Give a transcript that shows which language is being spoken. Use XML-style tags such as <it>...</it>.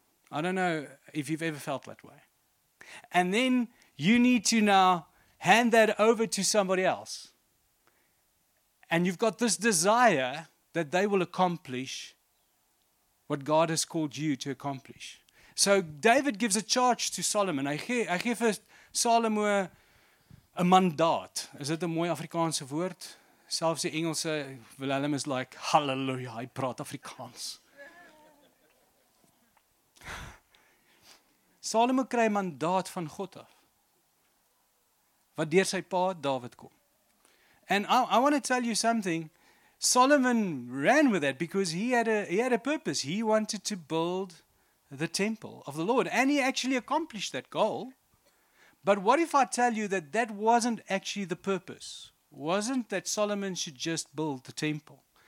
<en>I don't know if you've ever felt that way. And then you need to now hand that over to somebody else. And you've got this desire that they will accomplish what God has called you to accomplish. So David gives a charge to Solomon.</en> <af>Hy gee vir Salomo 'n mandaat. Is dit 'n mooi Afrikaanse woord? Selfs die Engelse Willem is like, "Hallelujah, hy praat Afrikaans." Salomo kry 'n mandaat van God af, wat deur sy pa David kom.</af> <en>And I want to tell you something. Solomon ran with that because he had a purpose. He wanted to build the temple of the Lord. And he actually accomplished that goal. But what if I tell you that that wasn't actually the purpose? Wasn't that Solomon should just build the temple?</en>